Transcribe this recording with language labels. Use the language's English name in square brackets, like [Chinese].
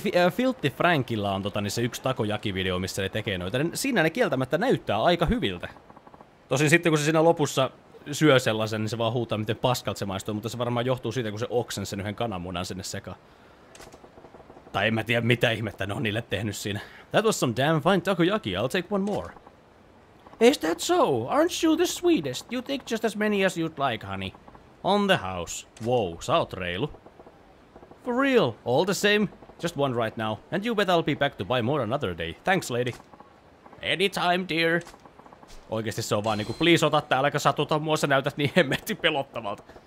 [Finnish] Filtti Frankilla on se yksi takojakivideo, missä ne tekee noita. Siinä ne kieltämättä näyttää aika hyviltä. Tosin sitten, kun se siinä lopussa syö sellaisen, niin se vaan huutaa, miten paskalta se maistuu. Mutta se varmaan johtuu siitä, kun se oksen sen yhden kananmunan sinne sekaan. Tai en mä tiedä, mitä ihmettä ne on niille tehnyt siinä. [English] That was some damn fine takojaki. I'll take one more. Is that so? Aren't you the sweetest? You take just as many as you'd like, honey. On the house. [Finnish] Wow, sä oot reilu. [English] For real, all the same, just one right now, and you bet I'll be back to buy more another day. Thanks, lady. Anytime, dear. [Finnish] Oikeesti se on vaan niinku, please ota täällä, kun satuta mua, sä näytät niin hemmetti pelottavalta.